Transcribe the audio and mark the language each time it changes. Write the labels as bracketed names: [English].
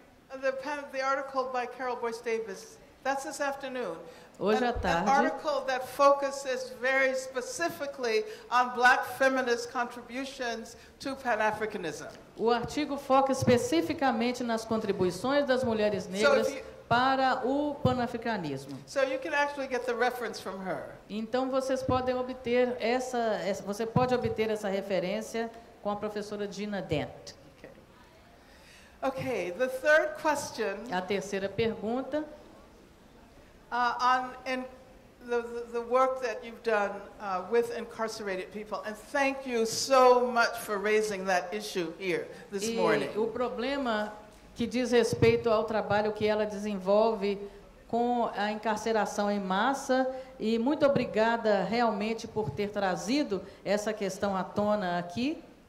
[English] The article by Carol Boyce Davis. That's this afternoon. [Portuguese] Hoje à tarde. [English] An article that focuses very specifically on black feminist contributions to Pan-Africanism. [Portuguese] O artigo foca especificamente nas contribuições das mulheres negras para o panafricanismo. [English] So you can actually get the reference from her. [Portuguese] Então vocês podem obter você pode obter essa referência com a professora Gina Dent. [English] Okay, the third question. [Portuguese] A terceira pergunta. [English] On the work that you've done with incarcerated people, and thank you so much for raising that issue here this morning. [Portuguese] O problema que diz respeito ao trabalho que ela desenvolve com a encarceração em massa, e muito obrigada realmente por ter trazido essa questão à tona aqui.